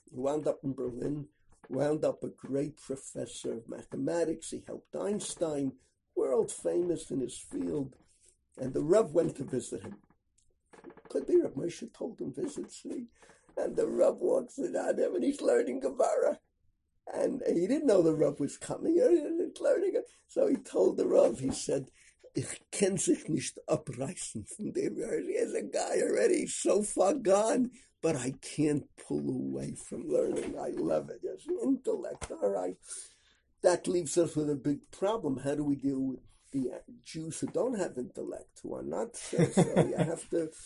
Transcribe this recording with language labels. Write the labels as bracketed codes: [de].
[en] He wound up in Berlin, wound up a great professor of mathematics. He helped Einstein, world famous in his field. And the Rav went to visit him. Could be Rav Moshe told him, visit, see. And the Rav walks in on him, and he's learning Gemara. And he didn't know the Rav was coming. He's learning it. So he told the Rav, he said, [yi] ich kenn sich nicht abreißen von dem. [en] Here's a guy already so far gone, but I can't pull away from learning. I love it. There's an intellect. All right. That leaves us with a big problem. How do we deal with the Jews who don't have intellect, who are not so, I have to.